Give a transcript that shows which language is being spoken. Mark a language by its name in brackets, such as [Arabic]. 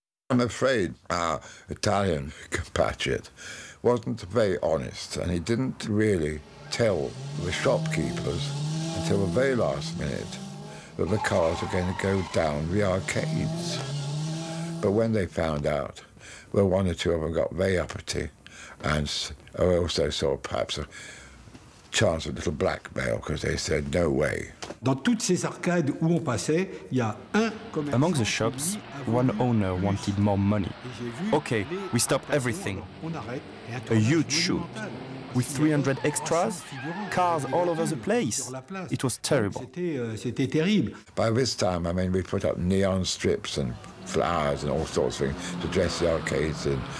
[English] I'm afraid our Italian compatriot wasn't very honest, and he didn't really tell the shopkeepers until the very last minute that the cars were going to go down the arcades. But when they found out, well, one or two of them got very uppity, and I also saw perhaps a chance of little blackmail because they said no way. [French] Dans toutes ces arcades où on passait, il y a un commerçant. [English] Among the shops, one owner wanted more money. Okay, we stop everything. A huge shoot. With 300 extras, cars all over the place. It was terrible. [French] C'était terrible. [English] By this time, I mean, we put up neon strips and flowers and all sorts of things to dress the arcades in.